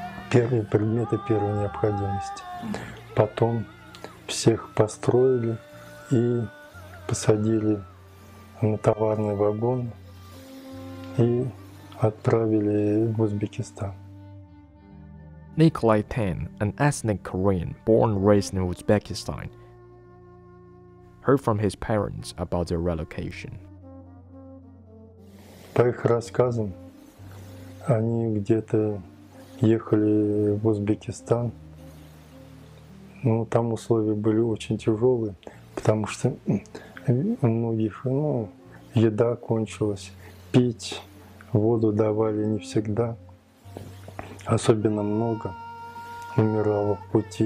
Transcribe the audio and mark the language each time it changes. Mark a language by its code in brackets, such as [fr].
[ru] Первые предметы первой необходимости. Потом всех построили и посадили на товарный вагон и отправили в Узбекистан. [en] Николай Тен, an ethnic Korean born and raised in Uzbekistan, heard from his parents about their relocation. [ru] По их рассказам, они где-то ехали в Узбекистан. Ну, там условия были очень тяжелые, потому что у многих еда кончилась, пить воду давали не всегда, особенно много умирало в пути.